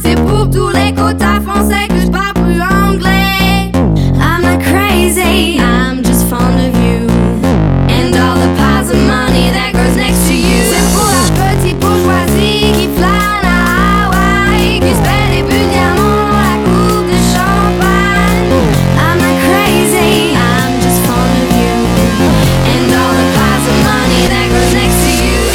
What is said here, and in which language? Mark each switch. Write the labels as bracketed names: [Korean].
[French] C'est pour tous les quotas français que je parle plus anglais. [English] I'm not crazy, I'm just fond of you. And all the piles of money that grows next to you. [French] C'est pour la petite bourgeoisie qui flâne à Hawaï, qui se paie des bulles diamants dans la coupe de champagne. [English] I'm not crazy, I'm just fond of you. And all the piles of money that grows next to you.